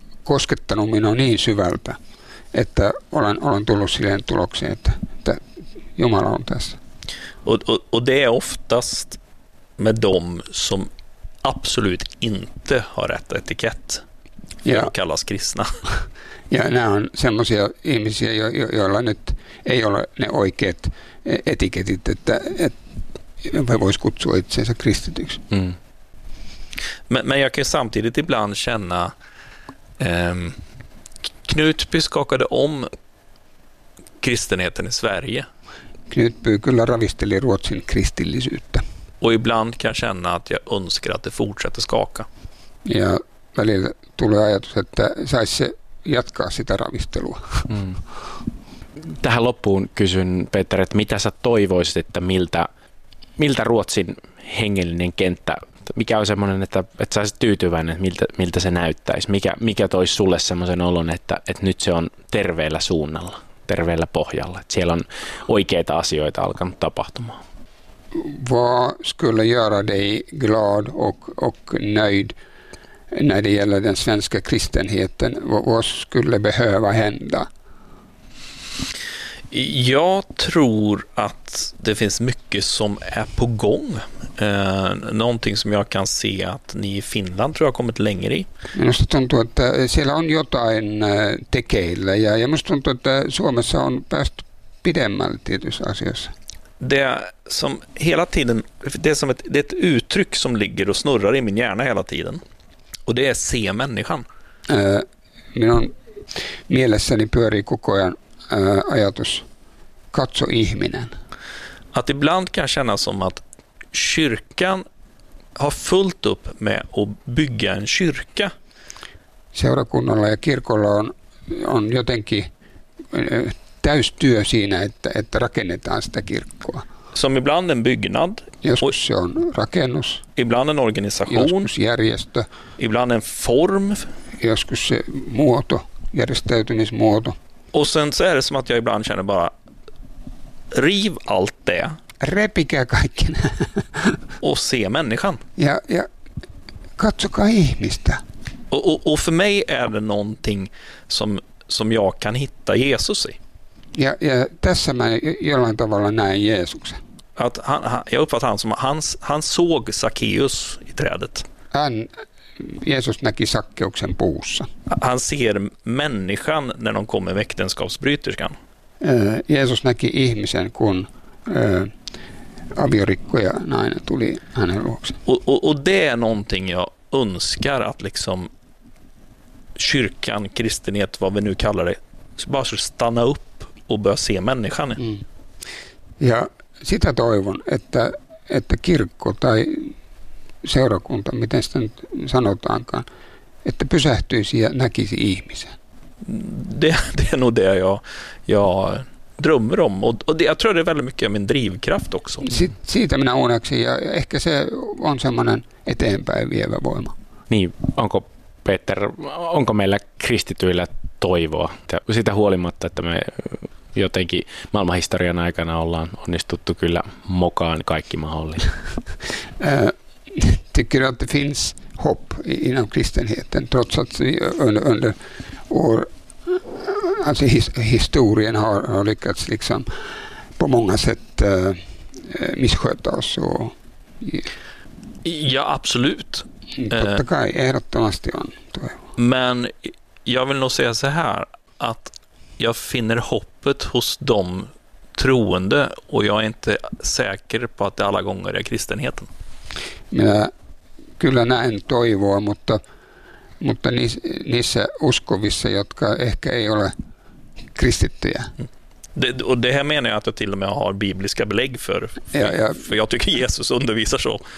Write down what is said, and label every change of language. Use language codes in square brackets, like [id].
[fi] koskettanut minua niin syvältä, että olen tullut silleen tulokseen, että Jumala on tässä. [sv] Och det är oftast med dem som absolut inte har rätt etikett för att kallas kristna. [fi] Ja, nämä on semmoisia ihmisiä, joilla nyt ei ole ne oikeat etiketit, että voisi kutsua itseensä kristityksi. Mm. [sv] Men jag kan samtidigt ibland känna Knutby skakade om kristenheten i Sverige. [fi] Knutby kyllä ravisteli Ruotsin kristillisyyttä. [sv] Och ibland kan jag känna att jag önskar att det fortsätter skaka. [fi] Ja, välillä tulee ajatus, että saisi se jatkaa sitä ravistelua. Mm. Tähän loppuun kysyn, Peter, että mitä sä toivoisit, että miltä Ruotsin hengellinen kenttä, mikä on semmoinen, että sä olisit tyytyväinen, että miltä se näyttäisi? Mikä toisi sulle semmoisen olon, että nyt se on terveellä suunnalla, terveellä pohjalla? Että siellä on oikeita asioita alkanut tapahtumaan. [sv] Vad skulle göra dig glad och nöjd när det gäller den svenska kristenheten? Vad skulle behöva hända? Jag tror att det finns mycket som är på gång. Någonting som jag kan se att ni i Finland tror jag har kommit längre i. Jag måste [fi] tuntua, att siellä on jotain tekeillä. Ja [sv] jag måste [fi] tuntua, att Suomessa on päästy pidemmälle tietyissä asioissa. [sv] Det som hela tiden, det är ett uttryck som ligger och snurrar i min hjärna hela tiden. Och det är se människan. [fi] Minun mielessäni pyörii koko ajan ajatus katso ihminen. [sv] Att ibland kan kännas som att kyrkan har fullt upp med att bygga en kyrka. [fi] Seurakunnalla ja kirkolla on jotenkin täys työ siinä, että rakennetaan sitä kirkkoa. [sv] Som ibland en byggnad. [fi] Joskus se on rakennus. [sv] Ibland en organisation. [fi] Joskus järjestö. [sv] Ibland en form. [fi] Joskus se muoto, järjestäytymismuoto. [sv] Och sen så är det som att jag ibland känner bara riv allt det. [fi] Repikä kaiken. [sv] Och se människan. [fi] Ja, katsokaa ihmistä. [sv] Och för mig är det någonting som jag kan hitta Jesus i. [fi] Ja tässä mä jollain tavalla näen Jeesuksen. [sv] Att jag uppfattar han som han såg Sakeus i trädet. [fi] Jeesus näki Sakkeuksen puussa. [sv] Han ser människan när de kommer med äktenskapsbryterskan. [fi] Jeesus näki ihmisen kun aviorikkoja nainen tuli hänen luokse. [sv] Och det är någonting jag önskar att liksom kyrkan, kristenhet, vad vi nu kallar det, bara så stanna upp. Och börja se människan. Mm. [fi] Ja, sitä toivon, että kirkko tai seurakunta, miten sitä nyt sanotaankaan, että pysähtyisi ja näkisi ihmisen. [sv] Det är nog det jag drömmer om. Och jag tror det är väldigt mycket min drivkraft också. [fi] Siitä minä uneksi, ja ehkä se on semmoinen eteenpäin vievä voima. Niin, onko Peter, onko meillä kristityillä toivoa? Sitä huolimatta, että me jotenkin maailmanhistorian aikana ollaan onnistuttu kyllä mokaan kaikki mahdollinen. [sv] Tycker att det finns hopp inom kristenheten trots att vi under år, alltså historien har lyckats liksom på många sätt missköta oss. Ja, absolut. [fi] Totta kai, ehdottomasti on toivo. [sv] Men jag vill nog säga så här att jag finner hoppet hos de troende och jag är inte säker på att det alla gånger är kristenheten. [fi] Minä kyllä näen toivoa, mutta niissä uskovissa, jotka ehkä ei ole kristittyjä. [sv] Och det här menar jag att jag till och med har bibliska belägg för jag tycker Jesus undervisar så.